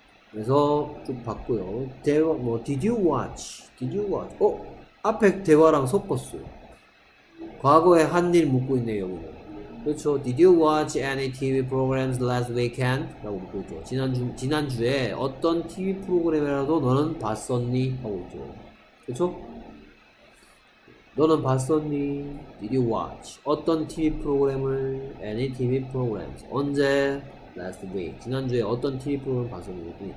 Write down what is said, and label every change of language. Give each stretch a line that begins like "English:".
Korean: 그래서 좀 봤고요. 대화 뭐
English: did you watch?
Korean: 어 앞에 대화랑 섞었어요. 과거에 한 일 묻고 있네요, 여기는. 그렇죠.
English: Did you watch any TV programs last weekend?
Korean: 라고 묻고 있죠. 지난주에 어떤 TV 프로그램이라도 너는 봤었니? 하고 있죠. 그렇죠. 너는 봤었니?
English: Did you watch
Korean: 어떤 TV 프로그램을?
English: Any TV programs
Korean: 언제?
English: Last week.
Korean: 지난주에 어떤 TV 프로그램 봤었는지.